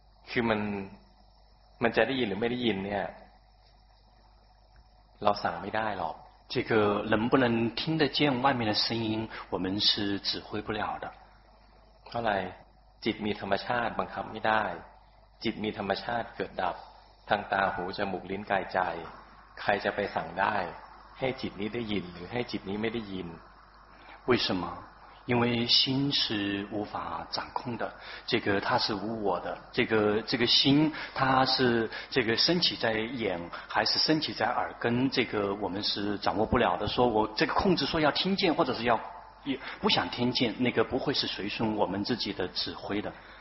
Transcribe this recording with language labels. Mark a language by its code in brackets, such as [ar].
[th] คือมันจะได้ยินหรือไม่ได้ยินเนี่ยเราสั่งไม่ได้หรอก [zh] 这个能不能听得见外面的声音我们是指挥不了的 [th] เพราะอะไรจิตมีธรรมชาติบังคับไม่ได้จิตมีธรรมชาติเกิดดับทางตาหูจมูกลิ้นกายใจใครจะไปสั่งได้ให้จิตนี้ได้ยินหรือให้จิตนี้ไม่ได้ยิน [zh] 为什么因为心是无法掌控的这个它是无我的这个心它是这个升起在眼还是升起在耳根这个我们是掌握不了的说我这个控制说要听见或者是要不想听见那个不会是随顺我们自己的指挥的